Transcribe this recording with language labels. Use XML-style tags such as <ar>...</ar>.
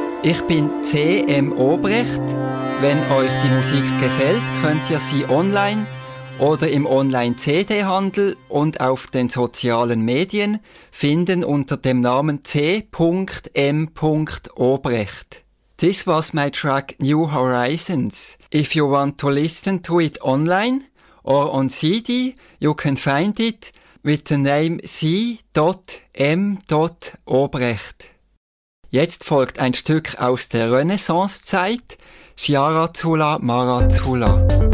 <de>Ich bin C.M. Obrecht. Wenn euch die Musik gefällt, könnt ihr sie online oder im Online-CD-Handel und auf den sozialen Medien finden unter dem Namen C.M.</de> <en>Obrecht. This was my track New Horizons. If you want to listen to it online or on CD, you can find it with the name C.M. Obrecht.</en> <de>Jetzt folgt ein Stück aus der Renaissance-Zeit, Chiaratula Marazzula.</de>